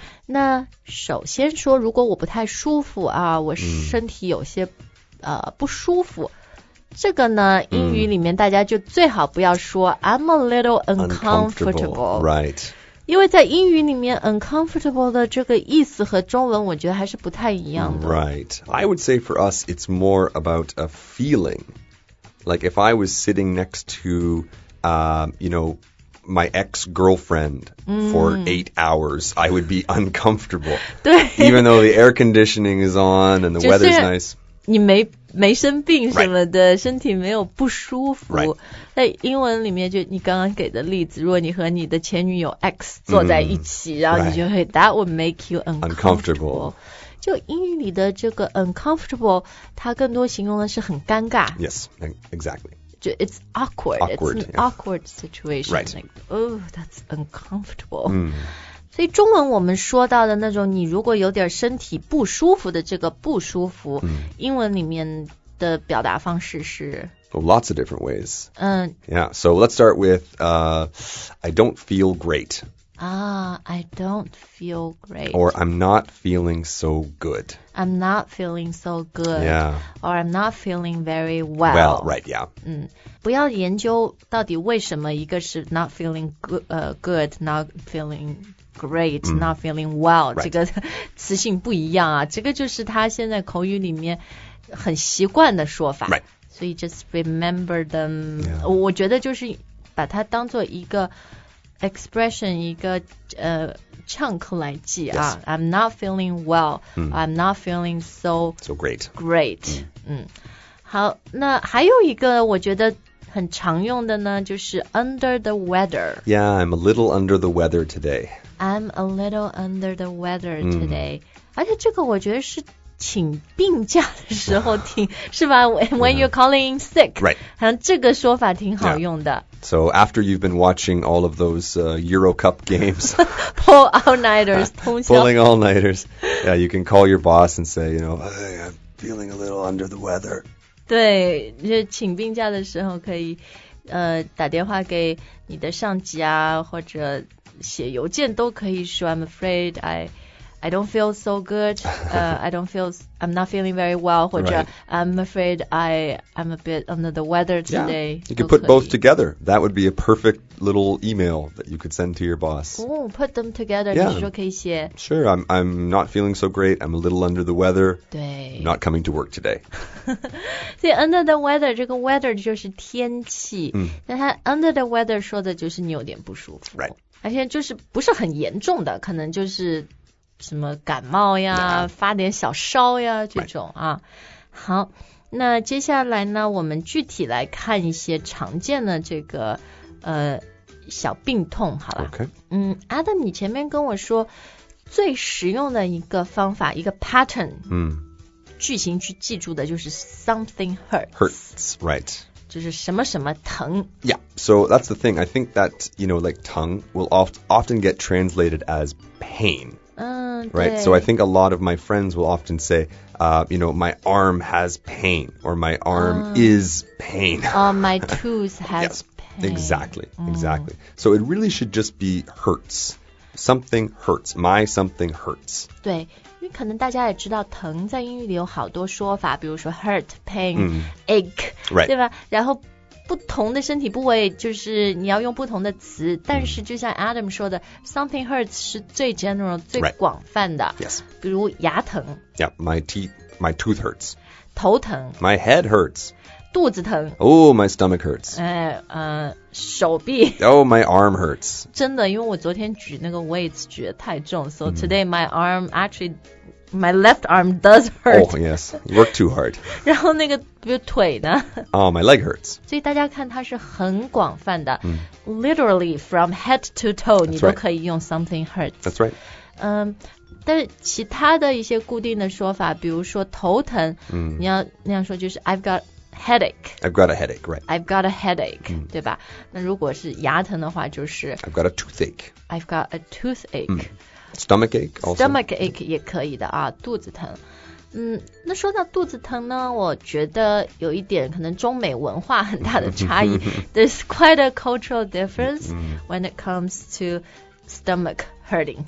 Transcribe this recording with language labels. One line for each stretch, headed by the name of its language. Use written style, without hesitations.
Chinese: 那首先说，如果我不太舒服啊，我身体有些不舒服，这个呢英语里面大家就最好不要说
English: I'm a little uncomfortable, right?
Chinese: 因为在英语里面 uncomfortable 的这个意思和中文我觉得还是不太一样的。
English: Right. I would say for us it's more about a feeling. Like if I was sitting next to, you know,my ex-girlfriend for 8 hours, I would be uncomfortable.
Chinese: 对
English: Even though the air conditioning is on and the weather is nice.
Chinese: 你没生病什么的、
English: right.
Chinese: 身体没有不舒服。
English: Right.
Chinese: 在英文里面就你刚刚给的例子，如果你和你的前女友 X 坐在一起、然后你就会、
English: right. That would make you uncomfortable.
Chinese: 就英语里的这个 uncomfortable, 它更多形容的是很尴尬。
English: Yes, exactly. It's awkward. It's an awkward situation. Right. Like, oh, that's uncomfortable.
Chinese: 所以中文我们说到的那种你如果有点身体不舒服的这个不舒服、英文里面的表达方式是
English: Oh, lots of different ways. Yeah, so let's start with, I don't feel great. Ah, I don't feel great. Or I'm not feeling so good. I'm not feeling so good. Yeah. Or I'm not feeling very well. Well, right, yeah.
Chinese: 不要研究到底为什么一个是
English: not feeling good, not feeling great, not feeling well,、 right.
Chinese: 这个词性不一样啊。这个就是他现在口语里面很习惯的说法。
English: Right.
Chinese: 所以
English: just remember them.、 Yeah.
Chinese: 我觉得就是把它当做一个expression 一个chunk 来记啊、
English: yes. I'm not feeling well、I'm not feeling so great
Chinese: great、好那还有一个我觉得很常用的呢就是
English: under the weather yeah I'm a little under the weather today I'm a little under the weather today、
Chinese: 而且这个我觉得是请病假的时候听是吧
English: when you're calling sick、 right.
Chinese: 好像这个说法挺好用的、
English: So after you've been watching all of those Euro Cup games, pull all-nighters,
Chinese: 通宵
English: pulling all-nighters, yeah, you can call your boss and say, you know, hey, I'm feeling a little under the weather.
Chinese: 对，就请病假的时候可以打电话给你的上级啊，或者写邮件都可以说
English: I'm afraid I don't feel so good. I'm not feeling very well.
Chinese: 或者
English: I'm afraid I'm a bit under the weather today. Yeah, you could put both together. That would be a perfect little email that you could send to your boss. Oh, put them together. Yeah.
Chinese: 你说可以写。
English: Sure. I'm not feeling so great. I'm a little under the weather.
Chinese: 对。
English: Not coming to work today.
Chinese: 所以
English: under the weather,
Chinese: 这个 weather 就是天气。那它 under the weather 说的就是你有点不舒服。
English: Right.
Chinese: 而且就是不是很严重的，可能就是什么感冒呀、发点小烧呀这种啊、好那接下来呢我们具体来看一些常见的这个小病痛好了、
English: okay.
Chinese: Adam 你前面跟我说最实用的一个方法一个 pattern 句型去记住的就是
English: something hurts right
Chinese: 就是什么什么疼
English: yeah so that's the thing I think that you know like tongue will often get translated as painright, so I think a lot of my friends will often say, you know, my arm has pain, or my arm is pain. My tooth has yes, pain. Exactly, exactly. So it really should just be hurts. Something hurts. My something hurts.
Chinese: 对，因为可能大家也知道，疼在英语里有好多说法，比如说
English: hurt, pain, ache, right.
Chinese: 对吧？然后不同的身体部位就是你要用不同的词、嗯、但是就像 Adam 说的
English: something hurts
Chinese: 是最 general 最广泛的、
English: right. yes.
Chinese: 比如牙疼
English: yeah, my tooth hurts
Chinese: 头疼
English: my head hurts
Chinese: 肚子疼
English: oh my stomach hurts
Chinese: 手臂
English: oh my arm hurts
Chinese: 真的因为我昨天举那个
English: weights
Chinese: 举得太重
English: so today、mm. my arm actuallyMy left arm does hurt. Oh, yes. Work too hard.
Chinese: 然后那个比如腿呢
English: Oh, my leg hurts.
Chinese: 所以大家看它是很广泛的、mm.
English: Literally from head to toe、
Chinese: 你都、
English: right.
Chinese: 可以用
English: something hurts. That's right.
Chinese: 但是其他的一些固定的说法比如说头疼、mm. 你要那样说就是
English: I've got headache. I've got a headache, right. I've got a headache,、mm.
Chinese: 对吧那如果是牙疼的话就是
English: I've got a toothache. I've got a toothache.、Mm. Stomach ache also.
Chinese: Stomach ache 也可以的啊，肚子疼。嗯，那说到肚子疼呢，我觉得有一点可能中美文化很大的差异。
English: There's quite a cultural difference when it comes to stomach hurting.